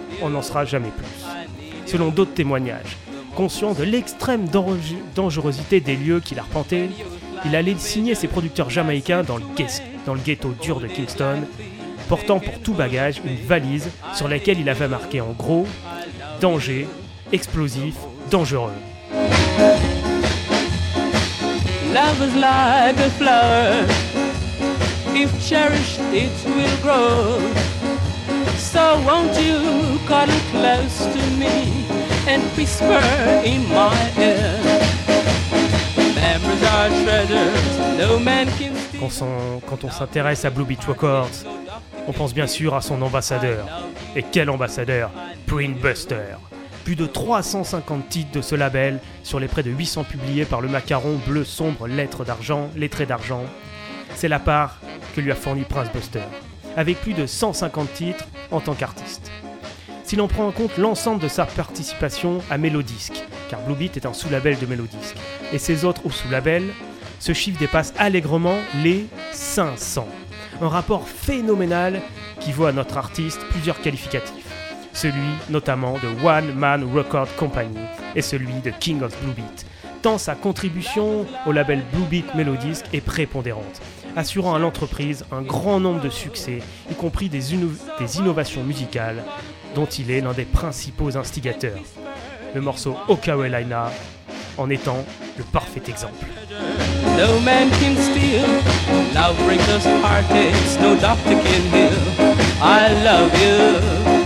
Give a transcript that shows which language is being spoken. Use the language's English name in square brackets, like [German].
[French] On n'en saura jamais plus. Selon d'autres témoignages, conscient de l'extrême dangerosité des lieux qu'il arpentait, il allait signer ses producteurs jamaïcains dans le ghetto dur de Kingston, portant pour tout bagage une valise sur laquelle il avait marqué en gros « danger, explosif, dangereux ». [English] Love is like a flower. If cherished, it will grow. So won't you cuddle close to me and whisper in my ear? Memories are treasures. No man can. [French] Quand on s'intéresse à Blue Beach Records, on pense bien sûr à son ambassadeur. Et quel ambassadeur? Print Buster. Plus de 350 titres de ce label sur les près de 800 publiés par le macaron bleu sombre lettré d'argent. C'est la part que lui a fournie Prince Buster, avec plus de 150 titres en tant qu'artiste. Si l'on prend en compte l'ensemble de sa participation à Melodisc, car Blue Beat est un sous-label de Melodisc, et ses autres sous-labels, ce chiffre dépasse allègrement les 500. Un rapport phénoménal qui vaut à notre artiste plusieurs qualificatifs. Celui notamment de One Man Record Company et celui de King of Blue Beat, tant sa contribution au label Blue Beat Melodisc est prépondérante, assurant à l'entreprise un grand nombre de succès, y compris des innovations musicales, dont il est l'un des principaux instigateurs. Le morceau Okawelaina en étant le parfait exemple. [English] No man can steal, love brings us heartaches, no doctor can heal, I love you.